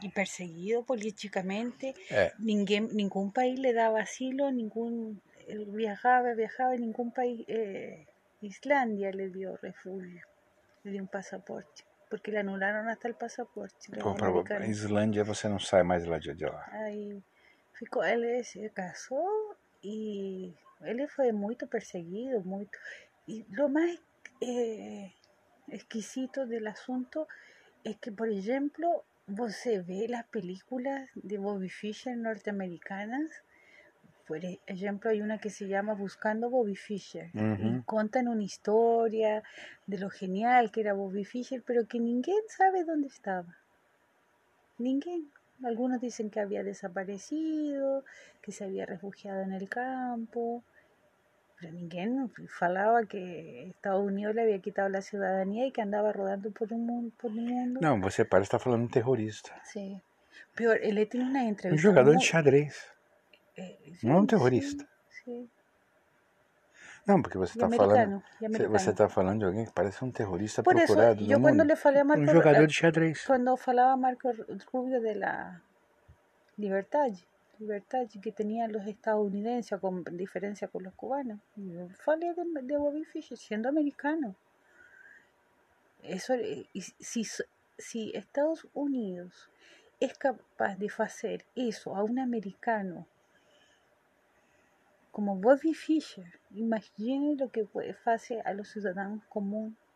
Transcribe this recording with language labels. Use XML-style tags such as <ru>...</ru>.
<pt>E perseguido politicamente. É. Nenhum país lhe dava asilo. Ele viajava, nenhum país...</pt> <es>Islândia le dio refugio, le dio un pasaporte, porque le anularon hasta el pasaporte.</es> <pt>Islândia, você no sai más de la de lá.</pt> <es>Ahí, ficó, él se casó y él fue muy perseguido, muy. Y lo más exquisito del asunto es que, por ejemplo,</es> <pt>você ve</pt> <es>las películas de Bobby Fischer norteamericanas. Por ejemplo, hay una que se llama Buscando Bobby Fischer. Uh-huh. Y cuentan una historia de lo genial que era Bobby Fischer, pero que nadie sabe dónde estaba. Nadie. Algunos dicen que había desaparecido, que se había refugiado en el campo. Pero nadie falaba que Estados Unidos le había quitado la ciudadanía y que andaba rodando por el mundo. No, usted parece estar hablando de un terrorista. Sí. Pero él tiene una entrevista. Un jugador de xadrez.</es> <pt>Não é um terrorista. Sim. Não, porque você está falando. Você está falando de alguém que parece um terrorista por procurado. Eu quando le falei a Marco, um jogador de xadrez. Quando eu falava a Marco Rubio de la Liberdade.</pt> <es>Libertad que tenían los estadounidenses con diferencia con los cubanos. Yo falé de Bobby Fischer siendo americano. Eso, si Estados Unidos es capaz de hacer eso a un americano como Bobby Fischer, imagine lo que puede hacer a los ciudadanos comunes.</es>